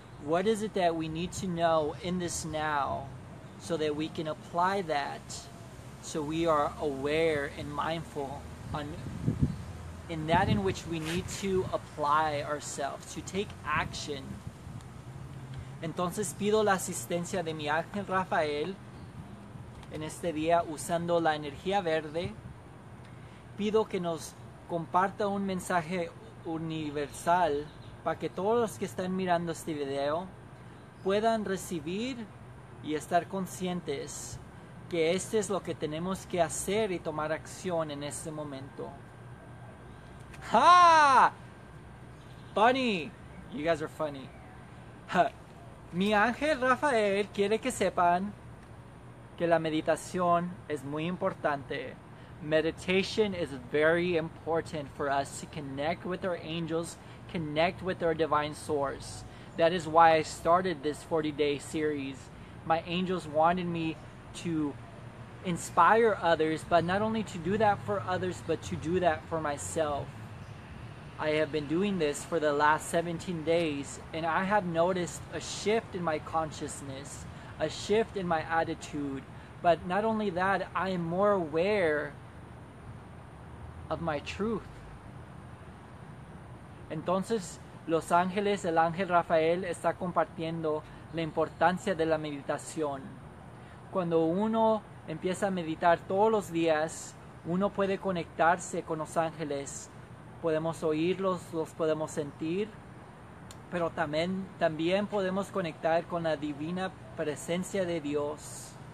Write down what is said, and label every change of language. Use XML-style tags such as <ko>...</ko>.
<en>What is it that we need to know in this now so that we can apply that so we are aware and mindful on in that in which we need to apply ourselves, to take action?</en> <es>Entonces pido la asistencia de mi ángel Rafael en este día usando la energía verde. Pido que nos comparta un mensaje universal para que todos los que están mirando este video puedan recibir y estar conscientes que este es lo que tenemos que hacer y tomar acción en este momento. ¡Ha!</es> <en>Funny! You guys are funny.</en> <es>Mi ángel Rafael quiere que sepan que la meditación es muy importante.</es> <en>Meditation is very important for us to connect with our angels, connect with our divine source. That is why I started this 40-day series. My angels wanted me to inspire others, but not only to do that for others, but to do that for myself. I have been doing this for the last 17 days, and I have noticed a shift in my consciousness, a shift in my attitude. But not only that, I am more aware of my truth.</en> <es>Entonces, Los Ángeles, el ángel Rafael, está compartiendo la importancia de la meditación. Cuando uno empieza a meditar todos los días, uno puede conectarse con Los Ángeles. Podemos oírlos, los podemos sentir, pero también podemos conectar con la divina presencia de Dios.</es>